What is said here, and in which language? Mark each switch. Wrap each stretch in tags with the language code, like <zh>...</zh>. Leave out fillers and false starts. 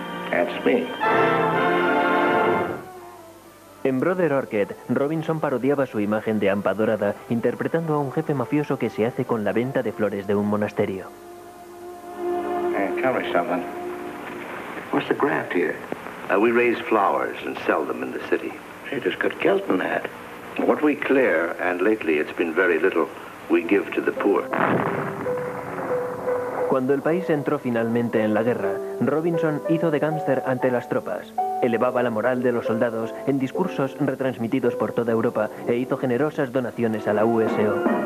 <en>That's me.</en> <es>En Brother Orchid, Robinson parodiaba su imagen de hampa dorada, interpretando a un jefe mafioso que se hace con la venta de flores de un monasterio.</es> <en>Tell me something. What's the graft here? We raise flowers and sell them in the city. They just got killed in that. What we clear, and lately it's been very little, we give to the poor.</en> <es>Cuando el país entró finalmente en la guerra, Robinson hizo de gángster ante las tropas. Elevaba la moral de los soldados en discursos retransmitidos por toda Europa e hizo generosas donaciones a la USO.</es>